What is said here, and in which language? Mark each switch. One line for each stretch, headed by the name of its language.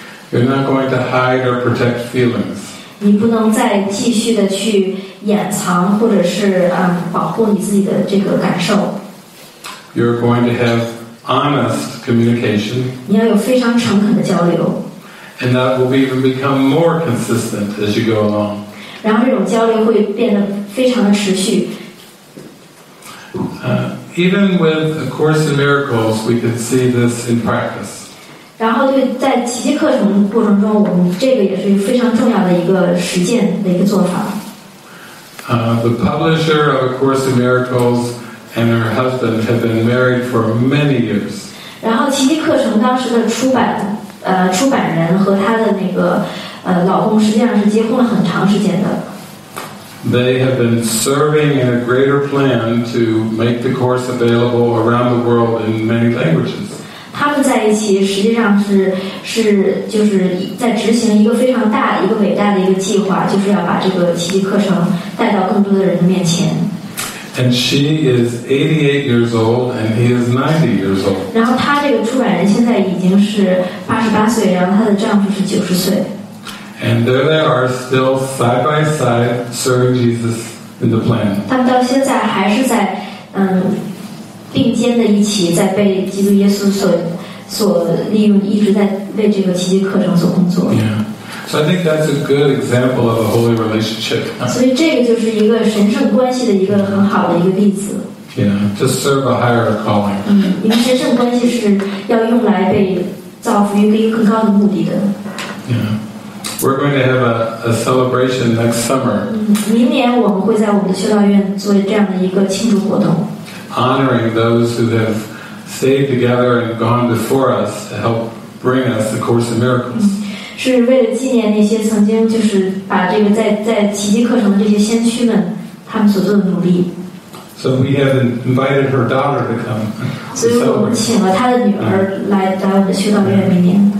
English: You're not going to hide or protect feelings.
Chinese: 你不能再继续的去掩藏或者是保护你自己的这个感受。
English: You're going to have honest communication.
Chinese: 你要有非常诚恳的交流。
English: And that will even become more consistent as you go along.
Chinese: 然后这种交流会变得非常的持续。
English: Even with A Course in Miracles, we can see this in practice.
Chinese: 然后对在奇迹课程过程中我们这个也是非常重要的一个实践的一个做法。
English: The publisher of A Course in Miracles and her husband have been married for many years.
Chinese: 然后奇迹课程当时的出版人和他的那个老公实际上是结婚了很长时间的。
English: They have been serving in a greater plan to make the course available around the world in many languages.
Chinese: 他们在一起实际上是就是在执行一个非常大一个伟大的一个计划，就是要把这个奇迹课程带到更多的人的面前。
English: And she is 88 years old, and he is 90 years old.
Chinese: 然后他这个出版人现在已经是88岁，然后他的丈夫是90岁。
English: And there they are still side by side serving Jesus in the plan.
Chinese: 他们到现在还是在并肩的一起在被基督耶稣所利用，一直在为这个奇迹课程所工作。
English: Yeah. So I think that's a good example of a holy relationship.
Chinese: 所以这个就是一个神圣关系的一个很好的一个例子。
English: Yeah, to serve a higher calling.
Chinese: 因为神圣关系是要用来被造福于一个更高的目的的。
English: Yeah. We're going to have a celebration next summer.
Chinese: 明年我们会在我们的修道院做这样的一个庆祝活动。
English: Honoring those who have stayed together and gone before us to help bring us the Course in Miracles.
Chinese: 是为了纪念那些曾经就是把这个在奇迹课程的这些先驱们他们所做的努力。
English: So we have invited her daughter to come.
Chinese: 所以我们请了她的女儿来到我们的修道院明年。